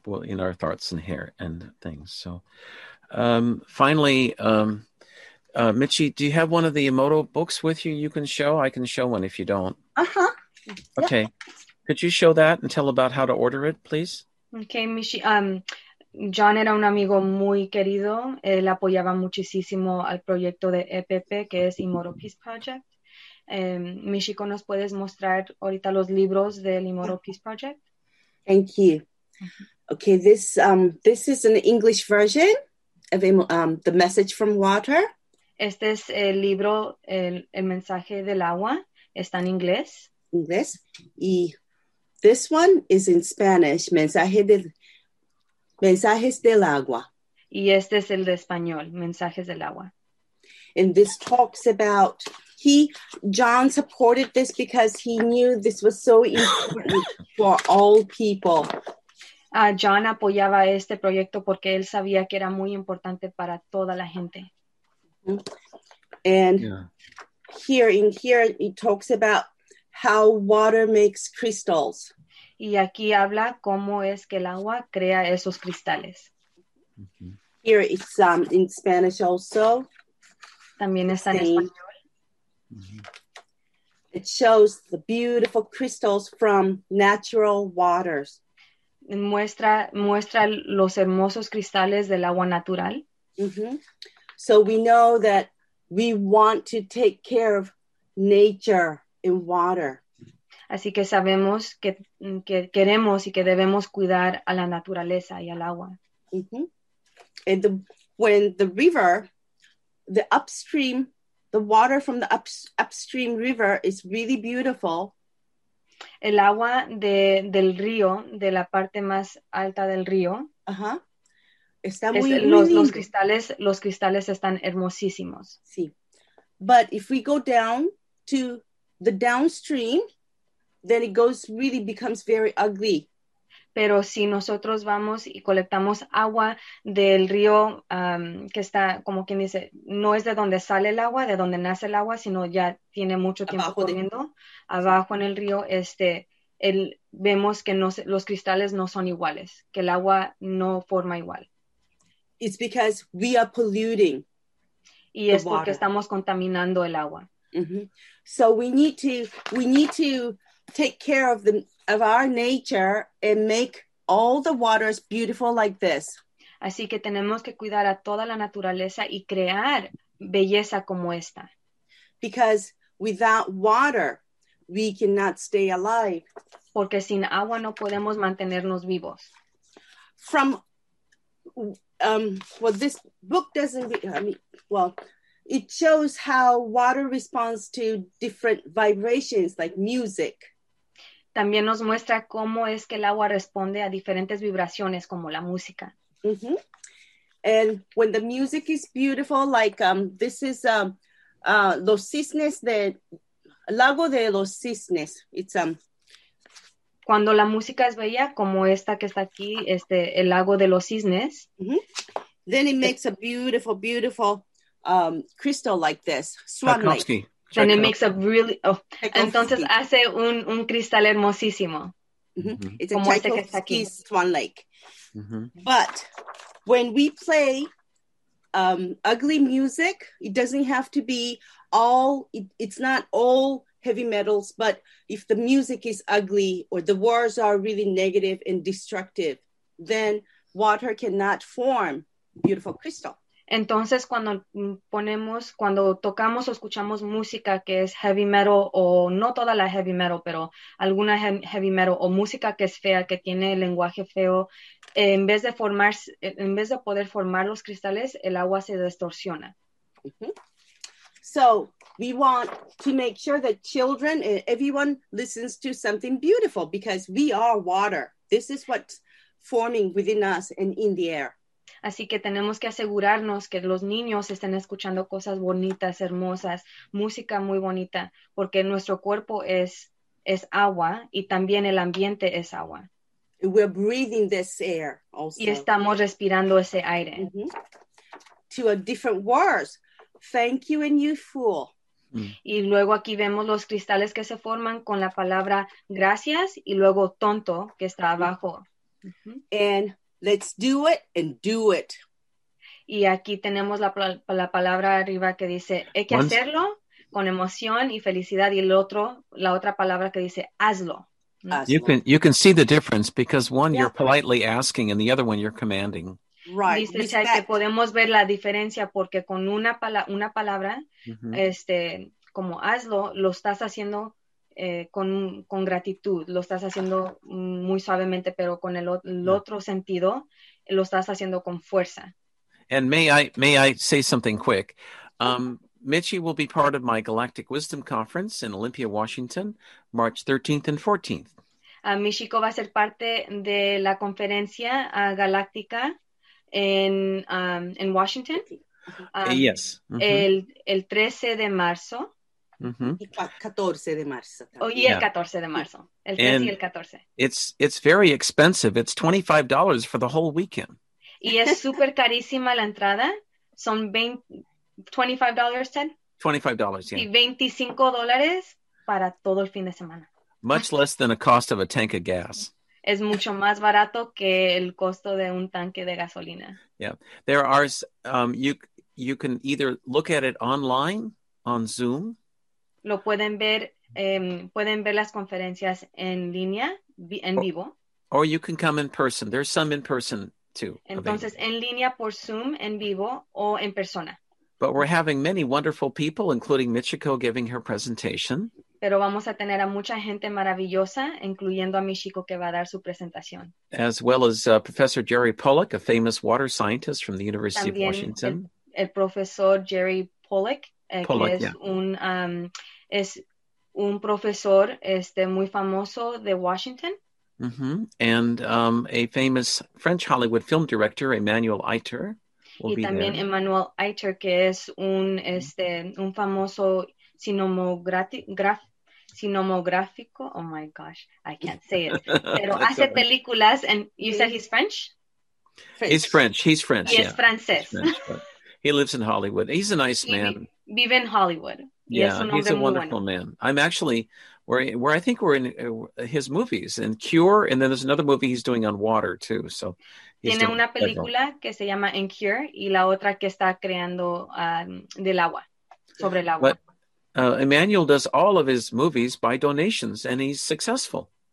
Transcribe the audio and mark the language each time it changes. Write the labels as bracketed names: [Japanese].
[English] Well, in our thoughts and hair and things. So finally, Michi, do you have one of the Emoto books with you you can show? I can show one if you don't. Uh-huh. Okay. Yeah. Could you show that and tell about how to order it, please? [Spanish] Okay, Michi. John era un amigo muy querido. Él apoyaba muchísimo al proyecto de EPP, que es Emerald Peace Project. Michiko, ¿nos puedes mostrar ahorita los libros del Emoto Peace Project? [English] Thank you. Okay, this is an English version of The Message from Water. [Spanish] Este es el libro, el mensaje del agua. Está en inglés. Inglés. Y [English] this one is in Spanish, Mensajes del Agua. [Spanish] Y este es el de español, Mensajes del Agua. [English] And this talks about... John supported this because he knew this was so important for all people. [Spanish] John apoyaba este proyecto porque él sabía que era muy importante para toda la gente. [English] Mm-hmm. And yeah. here he talks about how water makes crystals. [Spanish] Y aquí habla cómo es que el agua crea esos cristales. [English] Mm-hmm. Here it's in Spanish also. [Spanish] También está en español. Mm-hmm. [English] It shows the beautiful crystals from natural waters. [Spanish] Muestra los hermosos cristales del agua natural. Mm-hmm. [English] So we know that we want to take care of nature and water. [Spanish] Así que sabemos que queremos y que debemos cuidar a la naturaleza y al agua. Mm-hmm. [English] And when the river, the upstream, the water from the upstream river is really beautiful. [Spanish] El agua del río, de la parte más alta del río. Uh-huh. Está muy lindo. Los cristales están hermosísimos. Sí. [English] But if we go down to the downstream, then it goes really becomes very ugly. [Spanish] Pero si nosotros vamos y colectamos agua del río que está, como quien dice, no es de donde sale el agua, de donde nace el agua, sino ya tiene mucho tiempo corriendo abajo en el río, vemos que no, los cristales no son iguales, que el agua no forma igual. [English] It's because we are polluting. [Spanish] Y es porque water. Estamos contaminando el agua. Mm-hmm. [English] So we need to take care of of our nature and make all the waters beautiful like this. [Spanish] Así que tenemos que cuidar a toda la naturaleza y crear belleza como esta. [English] Because without water, we cannot stay alive. [Spanish] Porque sin agua no podemos mantenernos vivos. [English] From, this book doesn't, it shows how water responds to different vibrations like music. [Spanish] También nos muestra cómo es que el agua responde a diferentes vibraciones, como la música. [English] Mm-hmm. And when the music is beautiful, like this is Los Cisnes, Lago de los Cisnes. It's [Spanish] Cuando la música es bella, como esta que está aquí, el Lago de los Cisnes. Mm-hmm. [English] Then it makes a beautiful, beautiful crystal like this. Swarovski. And it makes a really, [Spanish] entonces hace un cristal hermosísimo. [English] Mm-hmm. It's a Tchaikovsky's Swan Lake. Mm-hmm. But when we play ugly music, it doesn't have to be it's not all heavy metals, but if the music is ugly or the words are really negative and destructive, then water cannot form beautiful crystal. [Spanish] Entonces, cuando tocamos o escuchamos música que es heavy metal o no toda la heavy metal, pero alguna heavy metal o música que es fea, que tiene lenguaje feo, en vez de poder formar los cristales, el agua se distorsiona. Mm-hmm. [English] So we want to make sure that children, everyone listens to something beautiful, because we are water. This is what's forming within us and in the air. [Spanish] Así que tenemos que asegurarnos que los niños estén escuchando cosas bonitas, hermosas, música muy bonita, porque nuestro cuerpo es agua y también el ambiente es agua. [English] We're breathing this air also. [Spanish] Y estamos respirando ese aire. [English] Mm-hmm. To a different words. Thank you and you fool. [Spanish] Y luego aquí vemos los cristales que se forman con la palabra gracias y luego tonto que está abajo. [English] And let's do it and do it. [Spanish] Y aquí tenemos la palabra arriba que dice hay que hacerlo con emoción y felicidad y el otro, la otra palabra que dice hazlo. [English] You can see the difference because one, yeah, you're politely asking and the other one you're commanding. Right. [Spanish] Dice que podemos ver la diferencia porque con una palabra, mm-hmm, como hazlo, lo estás haciendo con gratitud, lo estás haciendo muy suavemente, pero con el otro sentido, lo estás haciendo con fuerza. [English] And may I say something quick? Michi will be part of my Galactic Wisdom Conference in Olympia, Washington, March 13th and 14th. [Spanish] Michiko va a ser parte de la conferencia galáctica en Washington. [English] Yes. [Spanish] Mm-hmm. El 13 de marzo. Mm-hmm. Y el 14 de marzo. El 13 y el 14. [English] It's very expensive. It's $25 for the whole weekend. [Spanish] Y es super carísima la entrada. Son $25, Ted? [English] $25, yeah. [Spanish] Y $25 para todo el fin de semana. [English] Much less than the cost of a tank of gas. [Spanish] Es mucho más barato que el costo de un tanque de gasolina. [English] Yeah. There are, you can either look at it online, on Zoom. [Spanish] Lo pueden ver, pueden ver las conferencias en línea, en vivo. [English] Or you can come in person. There's some in person too. [Spanish] Entonces, en línea por Zoom, en vivo, o en persona. [English] But we're having many wonderful people, including Michiko giving her presentation. [Spanish] Pero vamos a tener a mucha gente maravillosa, incluyendo a Michiko que va a dar su presentación. [English] As well as Professor Jerry Pollack, a famous water scientist from the University [Spanish] también [English] of Washington. [Spanish] El profesor Jerry Pollack, es un profesor muy famoso de Washington. Mm-hmm. [English] And a famous French Hollywood film director, Emmanuel Eiter. [Spanish] Y también [English] there. [Spanish] Emmanuel Eiter, que es un famoso cinematográfico. [English] Oh my gosh, I can't say it. [Spanish] Pero hace películas, [English] and you said he's French? He's French, [Spanish] y [English] yeah. [Spanish] Es francés. [English] He lives in Hollywood. He's a nice man. [Spanish] Vive en Hollywood. [English] Yeah, [Spanish] y es un [English] he's a wonderful man. I'm actually, where I think we're in his movies, in Cure, and then there's another movie he's doing on water, too, so... [Spanish] Tiene una película que se llama In Cure y la otra que está creando del agua, sobre el agua. [English] But, Emmanuel does all of his movies by donations and he's successful.